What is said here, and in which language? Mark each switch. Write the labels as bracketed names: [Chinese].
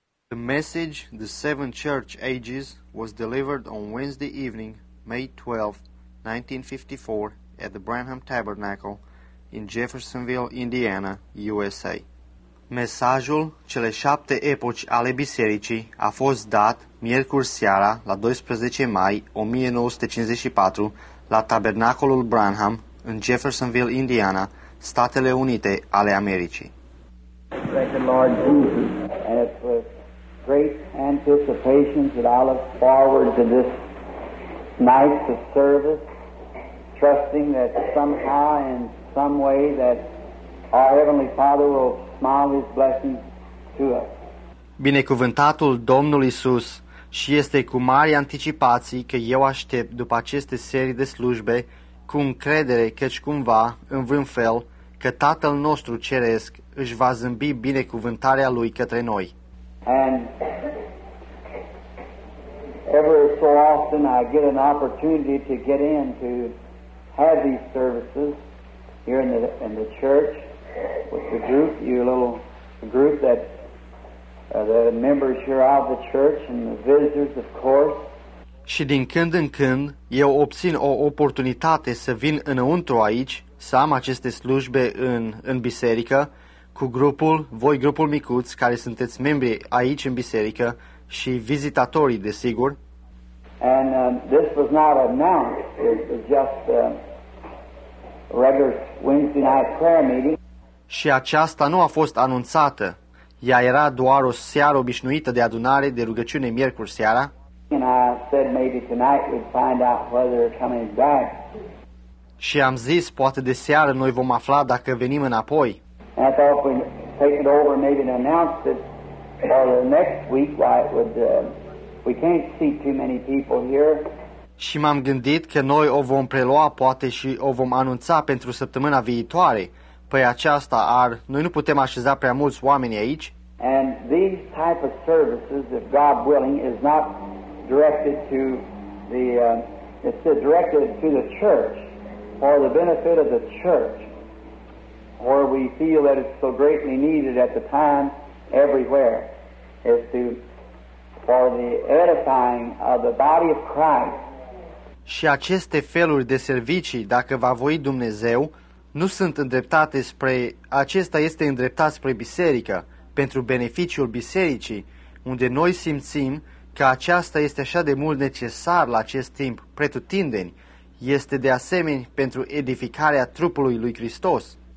[English] The message, the Seven Church Ages, was delivered on Wednesday evening, May 12, 1954, at the Branham Tabernacle in Jeffersonville, Indiana, USA. [Romanian] Mesajul cele șapte epoci ale bisericii a fost dat miercuri seara la 12 mai 1954 la Tabernacolul Branham în Jeffersonville, Indiana, Statele Unite ale Americii. [English] Great anticipations that I look forward to this night of service, trusting that somehow in some way that our Heavenly Father will smile His blessing to us. [Romanian] Binecuvântatul Domnului Iisus, și este cu mari anticipații că eu aștept după aceste serii de slujbe cu încredere căci cumva, în vreun fel, că Tatăl nostru Ceresc își va zâmbi binecuvântarea Lui către noi. [English] And every so often I get an opportunity to get in to have these services here in the church with the group, you little group that the members here of the church and the visitors, of course. [Romanian] Și din când în când eu obțin o oportunitate să vin înăuntru aici, să am aceste slujbe în biserică, cu grupul, voi grupul micuț, care sunteți membri aici în biserică și vizitatorii, desigur. [English] And this was not announced, it was just a regular Wednesday night prayer meeting. [Romanian] Și aceasta nu a fost anunțată, ea era doar o seară obișnuită de adunare, de rugăciune, miercuri seara. [English] And I said maybe tonight we'd find out whether they're coming back. [Romanian] Și am zis, poate de seară noi vom afla dacă venim înapoi. [English] And I thought if we take it over and maybe announce it for the next week, why it would, we can't see too many people here. [Romanian] Și m-am gândit că noi o vom prelua poate și o vom anunța pentru săptămâna viitoare. Păi aceasta ar, noi nu putem așeza prea mulți oameni aici. [English] And these type of services, if God willing, is not directed to the, it's directed to the church for the benefit of the church. Or we feel that it's so greatly needed at the time, everywhere, is to for the edifying of the body of Christ. [Romanian] Și aceste feluri de servicii, dacă va voi Dumnezeu, nu sunt îndreptate spre, acesta este îndreptat spre biserică, pentru beneficiul bisericii, unde noi simțim că aceasta este așa de mult necesar la acest timp, pretutindeni, este de asemenea pentru edificarea trupului lui Hristos.